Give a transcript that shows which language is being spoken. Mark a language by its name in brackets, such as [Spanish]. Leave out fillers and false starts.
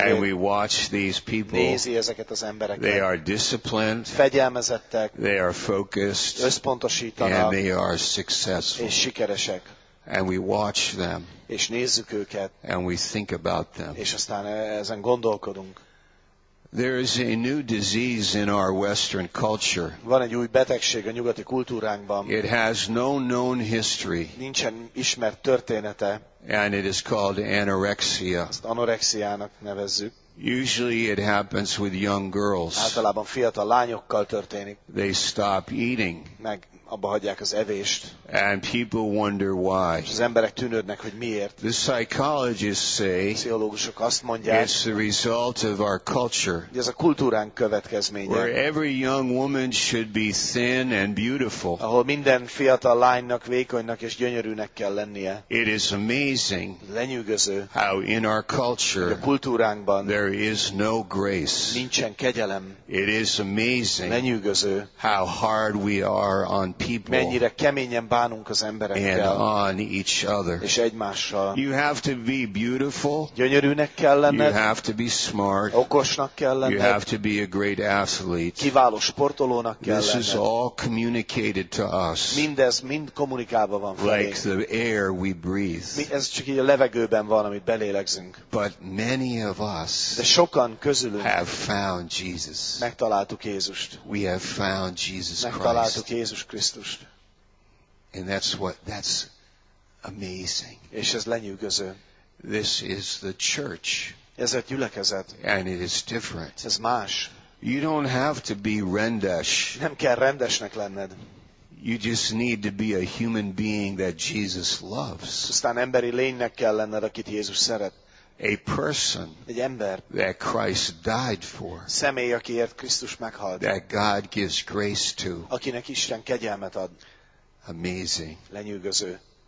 [English] And we watch these people. [Hungarian] Nézi ezeket az embereket. [English] They are disciplined. [Hungarian] Fegyelmezettek. [English] They are focused. [Hungarian] Összpontosítanak. [English] And they are successful. [Hungarian] És sikeresek. [English] And we watch them. [Hungarian] És nézzük őket. [English] And we think about them. [Hungarian] És aztán ezen gondolkodunk. [English] There is a new disease in our Western culture. [Hungarian] Van egy új betegség a nyugati kultúránkban. [English] It has no known history. [Hungarian] Nincsen ismert története. [English] And it is called anorexia. [Hungarian] Ezt anorexiának nevezzük. [English] Usually it happens with young girls. [Hungarian] Általában fiatal lányokkal történik. [English] They stop eating. [Hungarian] Meg abba hagyják az evést. [English] And people wonder why. [Hungarian] És az emberek tűnődnek, hogy miért. [English] The psychologists say, [Hungarian] a pszichológusok azt mondják, [English] it's the result of our culture. [Hungarian] Ez a kultúránk következménye. [English] Where every young woman should be thin and beautiful. [Hungarian] Ahol minden fiatal lánynak, vékonynak és gyönyörűnek kell lennie. [English] It is amazing. [Hungarian] Lenyűgöző. [English] How in our culture, [Hungarian] a kultúránkban, [English] there is no grace. [Hungarian] Nincsen kegyelem. [English] It is amazing. [Hungarian] Lenyűgöző. [English] How hard we are on people. [Hungarian] Mennyire keményen bánunk az emberekkel. [English] And on each other. [Hungarian] És egymással. [English] You have to be beautiful. [Hungarian] Gyönyörűnek kell lenned. [English] You have to be smart. [Hungarian] Okosnak kell lenned. [English] You have to be a great athlete. [Hungarian] Kiváló sportolónak kell [English] this [Hungarian] lenned. [English] This is all communicated to us. [Hungarian] Mindez mind kommunikálva van felénk. [English] Like the air we breathe. [Hungarian] Mi, ez csak így a levegőben van, amit belélegzünk. [English] But many of us, [Hungarian] de sokan közülünk, [English] have found Jesus. [Hungarian] Megtaláltuk Jézust. [English] We have found Jesus Christ. [Hungarian] Megtaláltuk Jézus Krisztust. [English] And that's amazing. [Hungarian] És ez lenyűgöző. [English] This is the church. [Hungarian] Ez a gyülekezet. [English] And it is different. [Hungarian] Ez más. [English] You don't have to be rendes. [Hungarian] Nem kell rendesnek lenned. [English] You just need to be a human being that Jesus loves. [Hungarian] Aztán emberi lénynek kell lenned, akit Jézus szeret. [English] a person [Hungarian] egy ember, [English] that Christ died for, [Hungarian] személy, akiért Krisztus meghalt, [English] that God gives grace to, [Hungarian] akinek Isten kegyelmet ad. [English] Amazing. [Hungarian] Lenyűgöző.